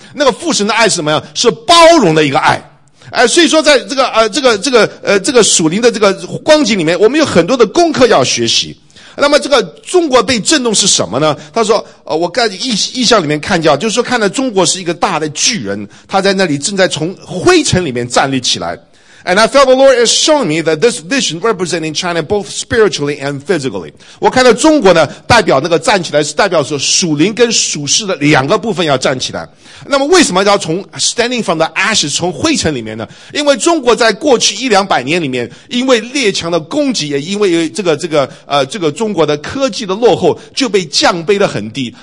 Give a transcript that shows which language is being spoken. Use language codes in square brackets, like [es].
[zh] 那个父神的爱是什么样，是包容的一个爱。所以说在这个属灵的这个光景里面，我们有很多的功课要学习。那么这个中国被震动是什么呢？他说我在意象里面看见，就是说看到中国是一个大的巨人，他在那里正在从灰尘里面站立起来。 [en] And I felt the Lord is showing me that this vision representing China both spiritually and physically. [zh] 我看到中国呢，代表那个站起来是代表说属灵跟属世的两个部分要站起来。那么为什么要从 [en] standing from the ashes [zh] 从灰尘里面呢？因为中国在过去一两百年里面，因为列强的攻击，也因为这个中国的科技的落后，就被降卑得很低。